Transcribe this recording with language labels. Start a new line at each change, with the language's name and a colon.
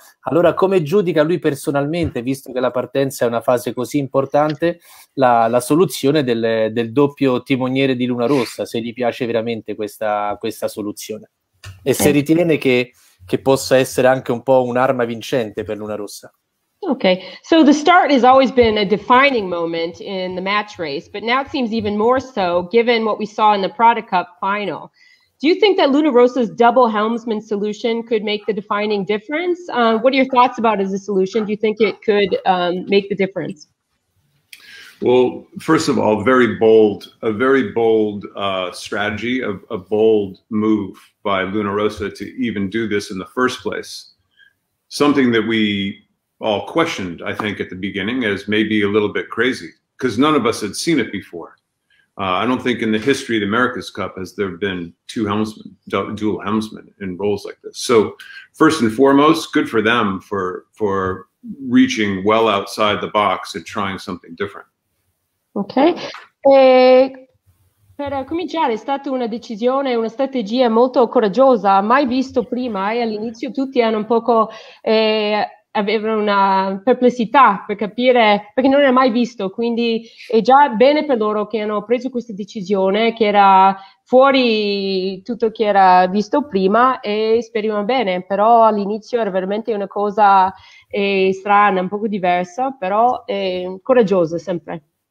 Italian: Allora, come giudica lui personalmente, visto che la partenza è una fase così importante, la soluzione del doppio timoniere di Luna Rossa, se gli piace veramente questa soluzione e se ritiene che possa essere anche un po' un'arma vincente per Luna Rossa?
English: Okay, so the start has always been a defining moment in the match race, but now it seems even more so given what we saw in the Prada Cup final. Do you think that Lunarosa's double helmsman solution could make the defining difference? What are your thoughts about it as a solution? Do you think it could make the difference? Well, first of all, a very bold strategy, a bold move by Lunarosa to even do this in the first place. Something that we all questioned, I think, at the beginning as maybe a little bit crazy, because none of us had seen it before. I don't think in the history of the America's Cup has there been two helmsmen, dual helmsmen in roles like this. So first and foremost, good for them for reaching well outside the box and trying something different.
Italian: Ok, per cominciare è stata una decisione, una strategia molto coraggiosa, mai visto prima, e all'inizio tutti hanno un poco, avevano una perplessità per capire, perché non era mai visto, quindi è già bene per loro che hanno preso questa decisione, che era fuori tutto che era visto prima, e speriamo bene, però all'inizio era veramente una cosa strana, un poco diversa, però coraggiosa sempre.